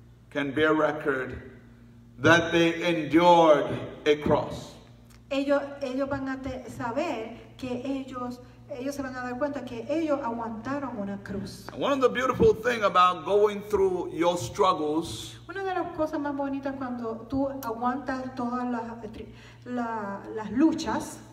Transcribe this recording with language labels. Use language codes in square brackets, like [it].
[en] can bear record that they endured a cross. [es] Ellos van a saber que ellos se van a dar cuenta que ellos aguantaron una cruz. [en] One of the beautiful things about going through your struggles. [es] Una de las cosas más bonitas cuando tú aguantas todas las luchas.